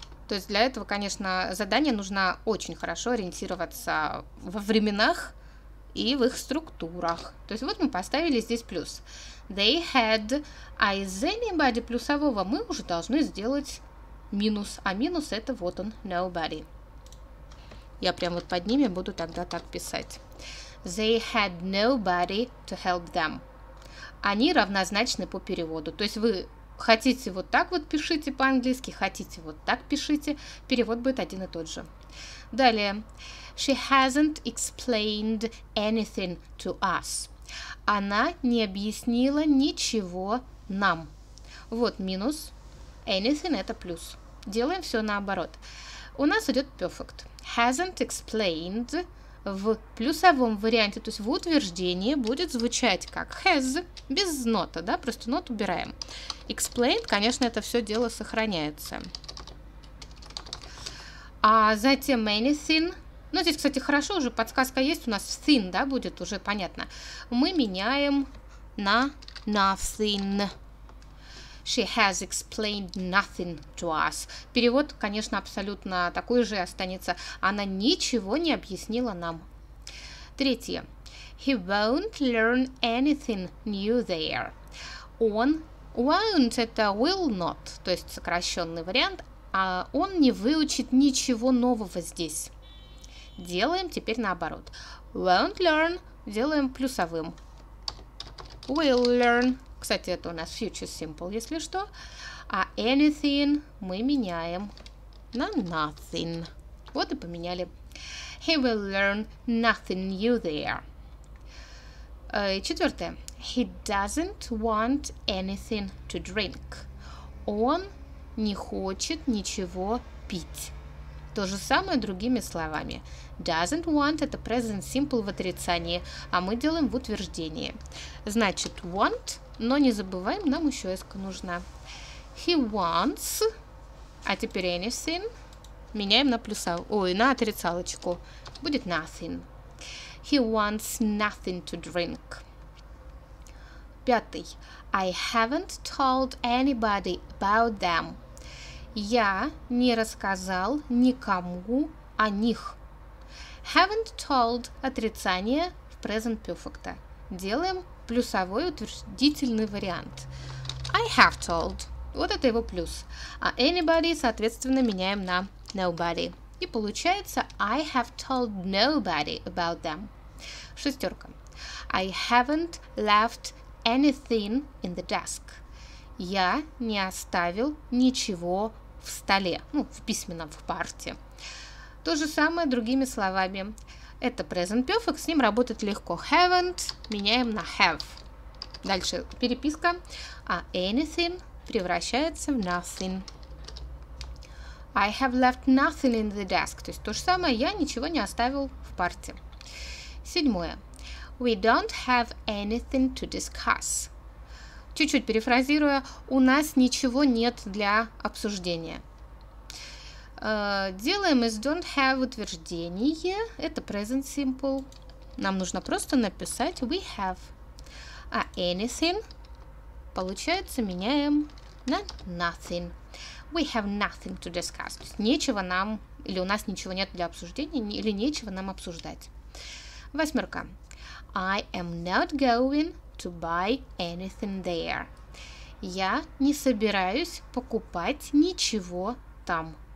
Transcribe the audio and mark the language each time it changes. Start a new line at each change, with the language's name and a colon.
Russian: То есть для этого, конечно, задание нужно очень хорошо ориентироваться во временах и в их структурах. То есть вот мы поставили здесь плюс.
English: They had,
Russian: а из anybody плюсового мы уже должны сделать минус. А минус это вот он, nobody. Я прям вот под ними буду тогда так писать.
English: They had nobody to help them.
Russian: Они равнозначны по переводу. То есть вы... хотите вот так вот пишите по-английски, хотите вот так пишите, перевод будет один и тот же. Далее.
English: She hasn't explained anything to us.
Russian: Она не объяснила ничего нам. Вот минус. Anything – это плюс. Делаем все наоборот. У нас идет perfect. Hasn't explained в плюсовом варианте, то есть в утверждении, будет звучать как has, без нота, да, просто нот убираем. Explained, конечно, это все дело сохраняется. А затем anything, ну, здесь, кстати, хорошо, уже подсказка есть, у нас thin, да, будет уже понятно. Мы меняем на nothing.
English: She has explained nothing to us.
Russian: Перевод, конечно, абсолютно такой же останется. Она ничего не объяснила нам. Третье.
English: He won't learn anything new there.
Russian: Он won't, это will not, то есть сокращенный вариант. А он не выучит ничего нового здесь. Делаем теперь наоборот. Won't learn делаем плюсовым.
English: Will learn.
Russian: Кстати, это у нас future simple, если что. А anything мы меняем на nothing. Вот и поменяли.
English: He will learn nothing new there.
Russian: Четвертое.
English: He doesn't want anything to drink.
Russian: Он не хочет ничего пить. То же самое другими словами. Doesn't want – это present simple в отрицании, а мы делаем в утверждении. Значит, want, но не забываем, нам еще эска нужна. He wants, а теперь anything, меняем на на отрицалочку. Будет nothing.
English: He wants nothing to drink.
Russian: Пятый.
English: I haven't told anybody about them.
Russian: Я не рассказал никому о них. Haven't told – отрицание в present perfect. Делаем плюсовой утвердительный вариант.
English: I have told.
Russian: Вот это его плюс. А anybody, соответственно, меняем на nobody. И получается
English: I have told nobody about them.
Russian: Шестерка.
English: I haven't left anything in the desk.
Russian: Я не оставил ничего в столе, в письменном, в парте. То же самое другими словами. Это present perfect, с ним работать легко. Haven't меняем на have. Дальше переписка. А anything превращается в nothing.
English: I have left nothing in the desk.
Russian: То есть то же самое, я ничего не оставил в парте. Седьмое.
English: We don't have anything to discuss.
Russian: Чуть-чуть перефразируя, у нас ничего нет для обсуждения. Делаем из don't have утверждение. Это present simple. Нам нужно просто написать we have. А anything, получается, меняем на nothing.
English: We have nothing to discuss.
Russian: То есть нечего нам, или у нас ничего нет для обсуждения, или нечего нам обсуждать. Восьмерка.
English: I am not going to buy anything there.
Russian: Я не собираюсь покупать ничего там.